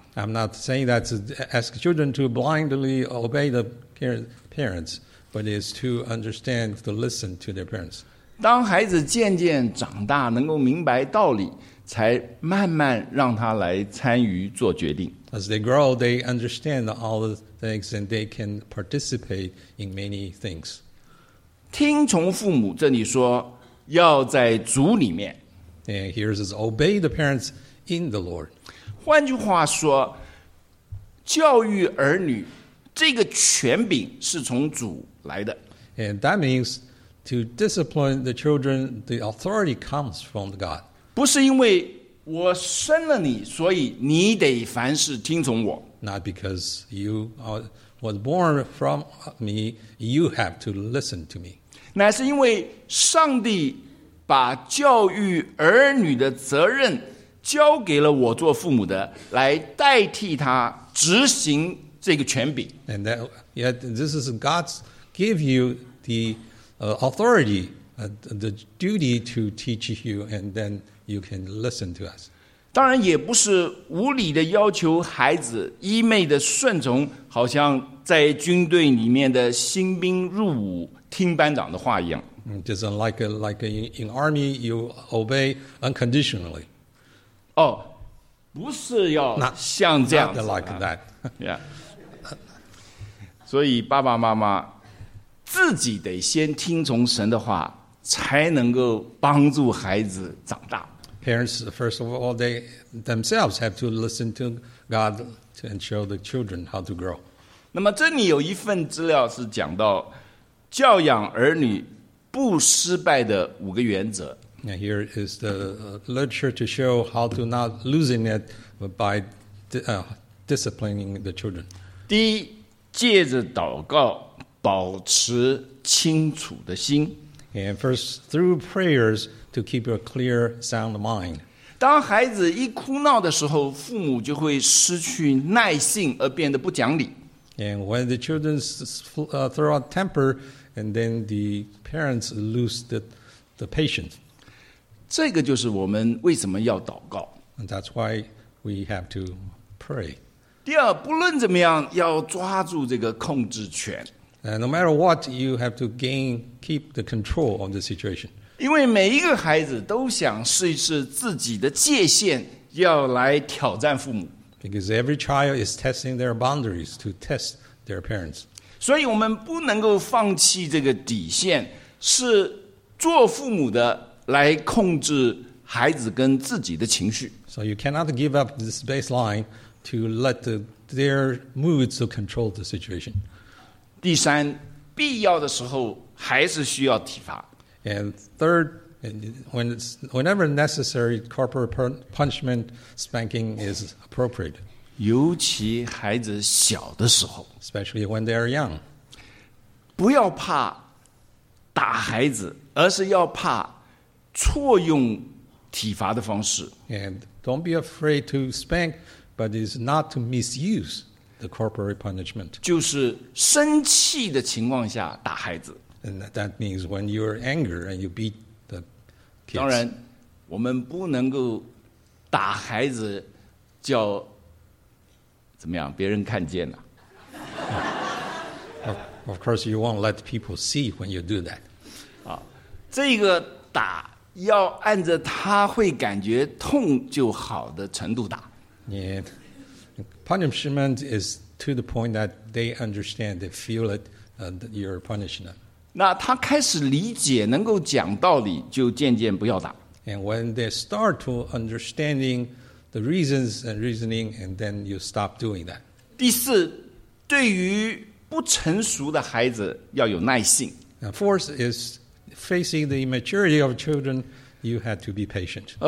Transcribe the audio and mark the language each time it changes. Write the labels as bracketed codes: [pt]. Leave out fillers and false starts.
[en] I'm not saying that to ask children to blindly obey the parents, but it's to understand to listen to their parents. [zh] 当孩子渐渐长大，能够明白道理，才慢慢让他来参与做决定。 [en] As they grow, they understand all the things and they can participate in many things. [zh] 听从父母，这里说要在主里面。 [en] And here says, obey the parents in the Lord. [zh] 换句话说，教育儿女这个权柄是从主来的。 [en] And that means to discipline the children, the authority comes from God. [zh] 不是因为我生了你，所以你得凡事听从我。 [en] Not because you was born from me, you have to listen to me. [zh] 乃是因为上帝把教育儿女的责任交给了我做父母的，来代替他执行这个权柄。 [en] And that, yet this is God's give you the authority, the duty to teach you, and then you can listen to us. [zh] 当然也不是无理的要求孩子一昧的顺从，好像在军队里面的新兵入伍听班长的话一样。 [en] Doesn't like in army you obey unconditionally. [zh] Oh, 不是要像这样子。 [en] Not like that. Yeah. [zh] 所以爸爸妈妈自己得先听从神的话，才能够帮助孩子长大。 [en] Parents, first of all, they themselves have to listen to God and show the children how to grow. [zh] 那么这里有一份资料是讲到教养儿女不失败的五个原则。 [en] And here is the literature to show how to not losing it by disciplining the children. [zh] 第一，借着祷告保持清楚的心。 [en] And first, through prayers to keep a clear, sound mind. [zh] 当孩子一哭闹的时候，父母就会失去耐性而变得不讲理。 [en] And when the children throw out temper,And then the parents lose the patience. [zh] 这个就是我们为什么要祷告。 [en] And that's why we have to pray. [zh] 第二，不论怎么样，要抓住这个控制权。 [en] And no matter what, you have to keep the control of the situation. [zh] 因为每一个孩子都想试一试自己的界限，要来挑战父母。 [en] Because every child is testing their boundaries to test their parents. [zh] 所以我们不能够放弃这个底线，是做父母的来控制孩子跟自己的情绪。 [en] So you cannot give up this baseline to let their moods to control the situation. [zh] 第三，必要的时候还是需要体罚。 [en] And third, whenever necessary, corporal punishment, spanking is appropriate. [zh] 尤其孩子小的时候 [en] ，especially when they are young， [zh] 不要怕打孩子，而是要怕错用体罚的方式。 [en] And don't be afraid to spank, but it's not to misuse the corporal punishment. [zh] 就是生气的情况下打孩子。 [en] And that means when you are angry and you beat the kids. [zh] 当然，我们不能够打孩子叫。怎么样？别人看见了。 [en] Of course, you won't let people see when you do that. [zh] 啊，这个打要按着他会感觉痛就好的程度打。 [en] Yeah, punishment is to the point that they understand, they feel it, your punishment. [zh] 那他开始理解，能够讲道理，就渐渐不要打。 [en] And when they start to understanding. The reasons and reasoning, and then you stop doing that. [zh] 第四，对于不成熟的孩子要有耐性。 [en] And fourth is facing the immaturity of children, you have to be patient.